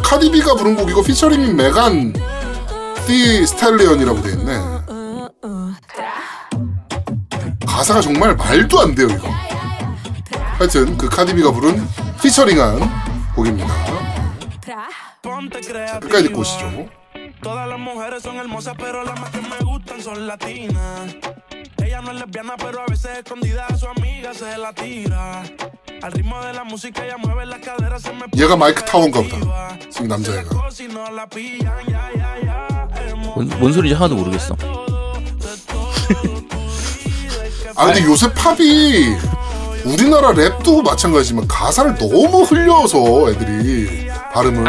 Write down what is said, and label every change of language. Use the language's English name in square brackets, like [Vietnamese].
[Korean] 카디비가 부른 곡이고 피처링인 메간 디 스탈리언이라고 돼있네. 가사가 정말 말도 안 돼요 이거. 하여튼 그 카디비가 부른 피처링한 곡입니다. 자, 끝까지 듣고 오시죠. [Spanish] Todas las mujeres son hermosas, pero las más que me gustan son latinas. Ella no es lesbiana, pero a veces escondida a su amiga se la tira. Al ritmo de la música ella mueve las caderas, se me... [Korean] 얘가 마이크 타운가 보다. 지금 남자애가. 뭔 소리인지 하나도 모르겠어. 아 근데 요새 팝이 우리나라 랩도 마찬가지지만 가사를 너무 흘려서 애들이 발음을.